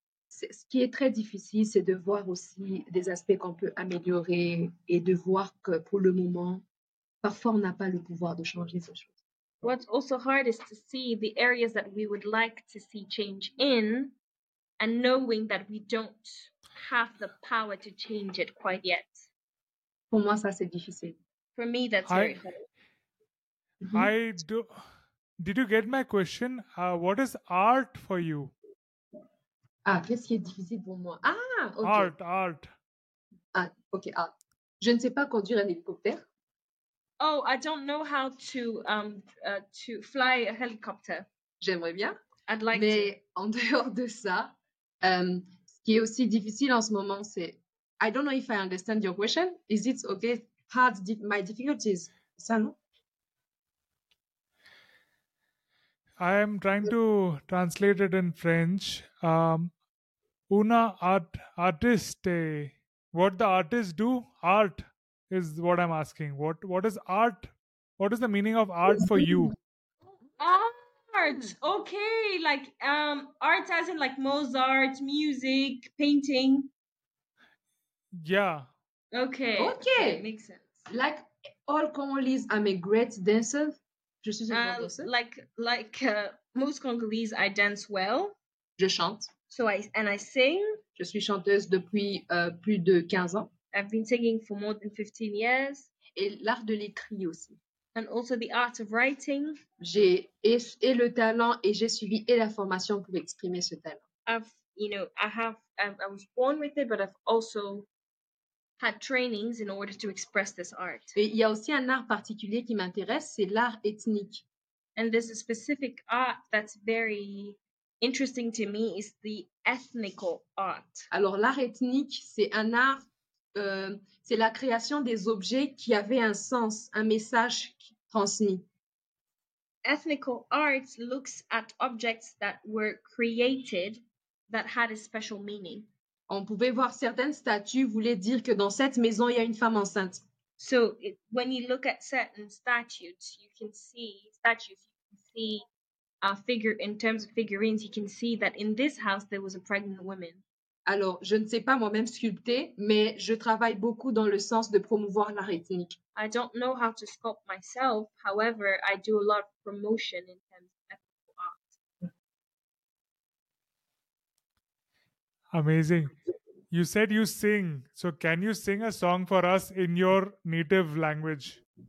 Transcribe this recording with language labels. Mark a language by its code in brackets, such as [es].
[fr] Ce qui est très difficile, c'est de voir aussi des aspects qu'on peut améliorer et de voir que pour le moment, parfois on n'a pas le pouvoir de changer ces choses. [en] What's also hard is to see the areas that we would like to see change in and knowing that we don't have the power to change it quite yet. [fr] Pour moi, ça, c'est difficile. [en] For me, that's very hard. Did you get my question? What is art for you? [fr] Ah, qu'est-ce qui est difficile pour moi? Ah, ok. [en] Art. [fr] Ah, ok, art. Je ne sais pas conduire un hélicoptère. [en] Oh, I don't know how to fly a helicopter. [fr] J'aimerais bien. [en] I'd like [fr] Mais [en] to. [fr] Mais en dehors de ça, ce qui est aussi difficile en ce moment, c'est... [en] I don't know if I understand your question. Is it okay? Hard, my difficulties. [fr] Ça, non? [en] I am trying to translate it in French. Artiste. What the artists do? Art is what I'm asking. What is art? What is the meaning of art for you? Art. Okay. Like art as in like Mozart, music, painting. Yeah. Okay. That makes sense. Like all Congolese, I'm a great dancer. [fr] Je suis une grande danseuse. [en] Like most Congolese, I dance well. [fr] Je chante. [en] So I sing. [fr] Je suis chanteuse depuis plus de 15 ans. [en] I've been singing for more than 15 years. [fr] Et l'art de l'écrit aussi. [en] And also the art of writing. [fr] J'ai et le talent et j'ai suivi et la formation pour exprimer ce talent. [en] I was born with it, but I've also had trainings in order to express this art. [fr] Et il y a aussi un art particulier qui m'intéresse, c'est l'art ethnique. [en] And there's a specific art that's very interesting to me, is the ethnical art. [fr] Alors l'art ethnique, c'est un art, c'est la création des objets qui avaient un sens, un message transmis. [en] Ethnical art looks at objects that were created that had a special meaning. [fr] On pouvait voir certaines statues voulaient dire que dans cette maison, il y a une femme enceinte. [en] So, when you look at certain statues, you can see statues, you can see a figure, in terms of figurines, you can see that in this house, there was a pregnant woman. [fr] Alors, je ne sais pas moi-même sculpter, mais je travaille beaucoup dans le sens de promouvoir l'art ethnique. [en] I don't know how to sculpt myself, however, I do a lot of promotion in terms of ethical art. Amazing. You said you sing, so can you sing a song for us in your native language?